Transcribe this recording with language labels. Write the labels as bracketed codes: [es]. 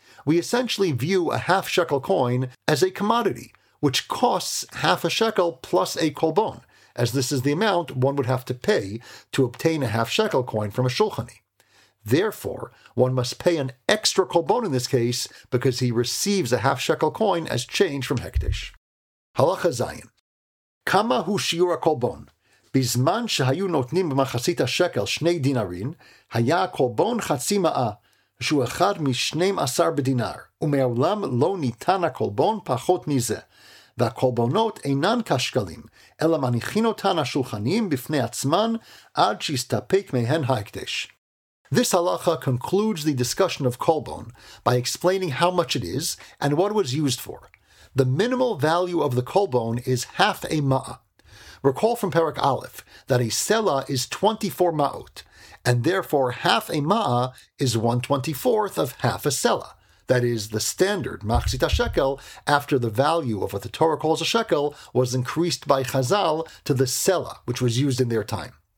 [en] We essentially view a half shekel coin as a commodity, which costs half a shekel plus a kolbon, as this is the amount one would have to pay to obtain a half shekel coin from a shulchani. Therefore, one must pay an extra kolbon in this case because he receives a half shekel coin as change from Hekdesh. Halacha Zayin. [he] Kama hu shiur ha kolbon? בזמן שהיו נותנים במחצית השקל שני דינרים, היה קורבון חצי מאה, שהוא אחד משניים עשר בדינר, ומעולם לא ניתן הקורבון פחות מזה, והקורבונות אינן כשקלים, אלא מניחים אותן השולחנים בפני עצמן עד שיסתפק מהן ההקדש. [en] This halacha concludes the discussion of kolbon by explaining how much it is and what it was used for. The minimal value of the kolbon is half a ma'a. Recall from Perek Aleph that a sela is 24 ma'ot, and therefore half a ma'a is 1/24 of half a sela, that is, the standard machzit shekel after the value of what the Torah calls a shekel was increased by Chazal to the sela, which was used in their time.